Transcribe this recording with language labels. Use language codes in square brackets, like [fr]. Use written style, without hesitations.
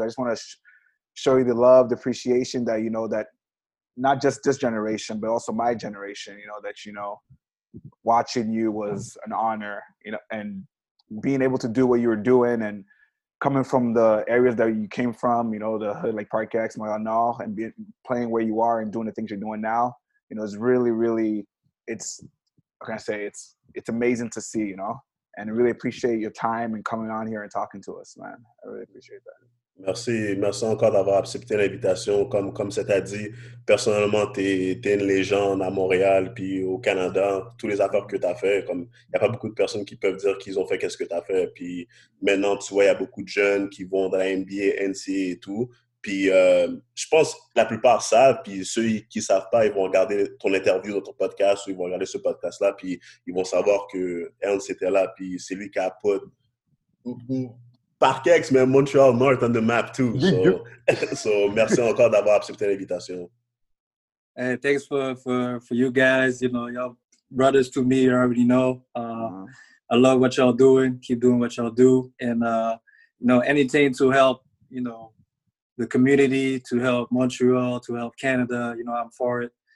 [en] I just want to show you the love, the appreciation that, you know, that not just this generation, but also my generation, you know, that, you know, watching you was an honor, you know, and being able to do what you were doing and coming from the areas that you came from, you know, the hood, like Park X, Montreal, and being playing where you are and doing the things you're doing now, you know, it's really, really, it's, how can I say, it's amazing to see, you know. And really appreciate your time and coming on here and talking to us, man. I really appreciate that. [fr] Merci encore d'avoir accepté l'invitation. Comme c'est à dire, personnellement, t'es une légende à Montréal puis au Canada. Tous les affaires que t'as fait, comme y a pas beaucoup de personnes qui peuvent dire qu'ils ont fait qu'est-ce que t'as fait. Puis maintenant, tu vois, y a beaucoup de jeunes qui vont dans la NBA, NCAA et tout. Puis je pense la plupart savent, puis ceux qui savent pas, ils vont regarder ton interview dans ton podcast ou ils vont regarder ce podcast-là, puis ils vont savoir que Ernst était là, puis c'est lui qui a put Parkex, mais Montreal North [en] on the map too. [fr] So merci encore d'avoir accepté l'invitation. [en] Hey, thanks for you guys, you know, y'all brothers to me, you already know. I love what y'all doing, keep doing what y'all do, and you know, anything to help, you know, the community, to help Montreal, to help Canada, you know, I'm for it.